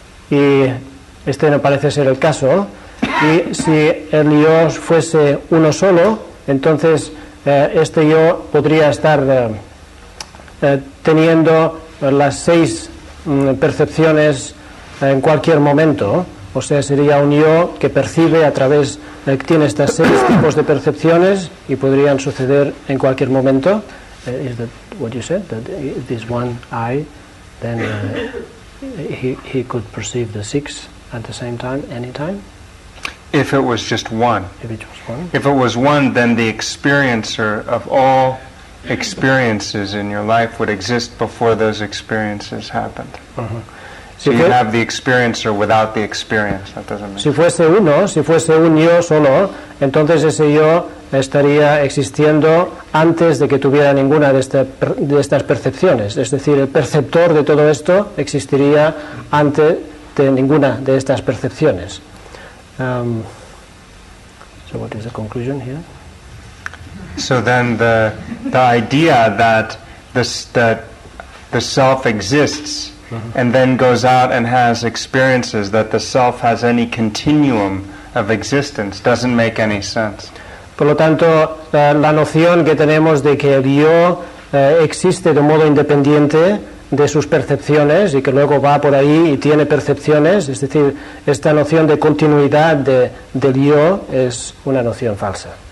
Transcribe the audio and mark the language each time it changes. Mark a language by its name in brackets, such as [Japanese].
[Spanish] Y este no parece ser el caso. Y si el yo fuese uno solo, entonces este yo podría estar teniendo las seis percepciones en cualquier momento. O sea, sería un yo que percibe a través, tiene estas seis tipos de percepciones y podrían suceder en cualquier momento. [English] Is that what you said? That this one eye, then he could perceive the six at the same time, any time? If it was just one. If it was one. If it was one, then the experiencer of all experiences in your life would exist before those experiences happened. Uh-huh. So you have the experiencer without the experience. That doesn't mean. [Spanish] Si fuese uno, si fuese un yo solo, entonces ese yo estaría existiendo antes de que tuviera ninguna de estas percepciones. Es decir, el perceptor de todo esto existiría antes de ninguna de estas percepciones. [English] So what is the conclusion here? So then the idea that the self exists. Uh-huh. And then goes out and has experiences, that the self has any continuum of existence, doesn't make any sense. [Spanish] Por lo tanto, la noción que tenemos de que el yo existe de modo independiente de sus percepciones y que luego va por ahí y tiene percepciones, es decir, esta noción de continuidad del yo es una noción falsa.